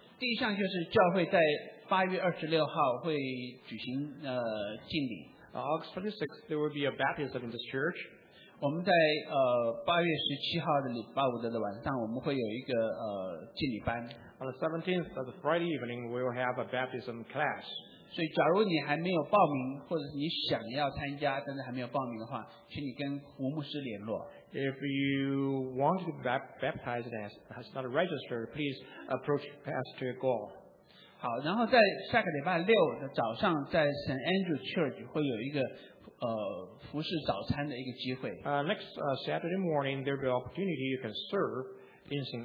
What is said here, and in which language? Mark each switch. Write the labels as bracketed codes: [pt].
[zh] 第一项就是教会在8月26号会举行敬礼。 [en] August 26th, there will be a baptism in this church. [zh] 我们在8月17号的礼拜五的晚上我们会有一个敬礼班。 [en] On the 17th of the Friday evening, we will have a baptism class. [zh] 所以假如你还没有报名或者你想要参加但是还没有报名的话请你跟吴牧师联络。 [en] If you want to be baptized and has not registered, please approach Pastor Gore. [zh] 好，然后在下个礼拜六的早上，在 St. Andrew Church 会有一个服侍早餐的一个机会。 [en] Next Saturday morning, there will be an opportunity you can serve in St.